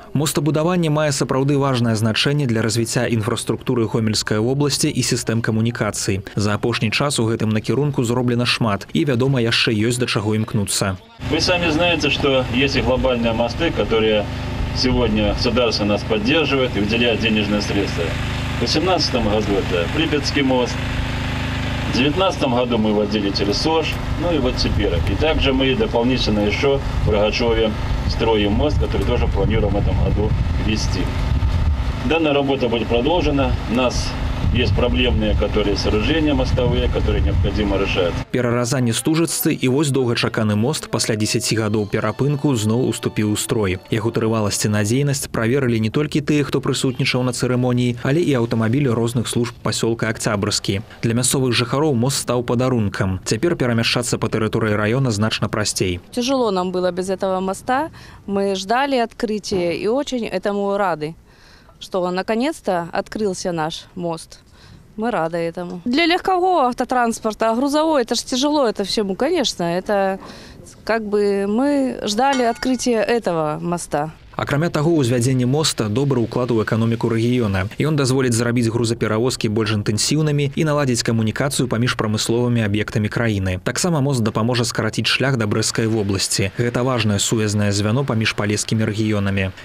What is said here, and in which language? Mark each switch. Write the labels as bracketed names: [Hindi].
[Belarusian] Мостабудаванне мае сапраўды важнае значэнне для развіцця інфраструктуры Гомельскай вобласці і сістэм камунікацыі. За апошні час у гэтым накірунку зроблена шмат, і, вядома, яшчэ ёсць да чаго імкнуцца. Вы самі знаеце, што ёсць глобальныя мосты, [Russian] которые сегодня государство нас поддерживает и выделяет денежные средства. В 2018 году это Припятский мост, в 2019 году мы вводили через Сож, ну и вот теперь. И также мы дополнительно еще в Рогачеве строим мост, который тоже планируем в этом году ввести. Данная работа будет продолжена. У нас есть проблемные, которые сооружения мостовые, которые необходимо решать. [Belarusian] Пераразанне стужыцы и вось доўгачаканы мост пасля 10 гадоў перапынку зноў уступіў у строй. Яго трываласць і надзейнасць праверылі не толькі тыя, хто прысутнічаў на цырымоніі, але і аўтамабілі розных служб пасёлка Октябрскі. Для мясцовых жыхароў мост стаў падарункам. Цяпер перамяшчацца па тэрыторыі раёна значна прасцей. [Russian] Тяжело нам было без этого моста. Мы ждали открытия и очень этому рады, что наконец-то открылся наш мост. Мы рады этому. Для легкого автотранспорта, а грузовой, это же тяжело это всему, конечно. Это как бы мы ждали открытия этого моста. [Belarusian] Акрамя таго, узвядзенне моста – добры ўклад у эканоміку рэгіёна. Ён дазволіць зрабіць грузаперавозкі больш інтэнсіўнымі і наладзіць камунікацыю паміж прамысловымі аб'ектамі краіны. Таксама мост дапаможа скараціць шлях да Брэсцкай вобласці. Гэта важнае сувязнае звяно паміж палескімі рэгіёнамі.